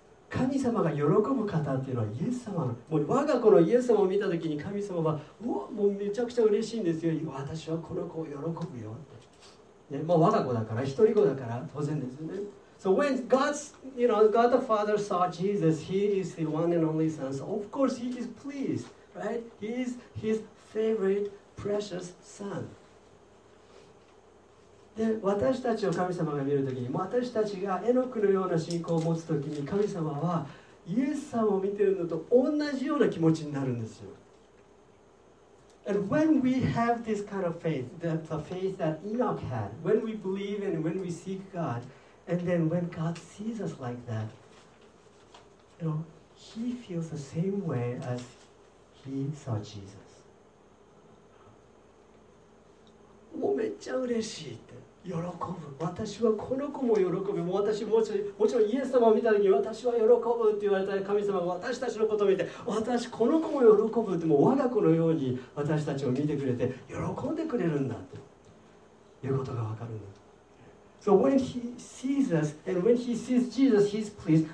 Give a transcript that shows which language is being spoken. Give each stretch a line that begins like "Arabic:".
Japanese: 神様が喜ぶ方っていうのはイエス様。もう我が子のイエス様を見た時に神様はうわもうめちゃくちゃ嬉しいんですよ。私はこの子を喜ぶよって。ね、もう我が子だから一人子だから当然ですね。
English: So when God's, you know, God the Father saw Jesus, He is the one and only Son. So of course He is pleased, right? He is His favorite, precious Son.
Japanese: で私たちを神様が見るときに、私たちがエノクのような信仰を持つときに、神様はイエス様を見ているのと同じような気持ちになるんですよ。
English: And when we have this kind of faith, the faith that Enoch had, when we believe and when we seek God, and then when God sees us like that, you know, He feels the same way as He saw Jesus.
Japanese: もうめっちゃ嬉しいって喜ぶ。私はこの子も喜ぶ。もう私もちろんイエス様を見た時に私は喜ぶって言われた神様が私たちのことを見て私この子も喜ぶってもう我が子のように私たちを見てくれて喜んでくれるんだということがわかるんだ。
English: So when he sees us and when he sees Jesus, he's pleased.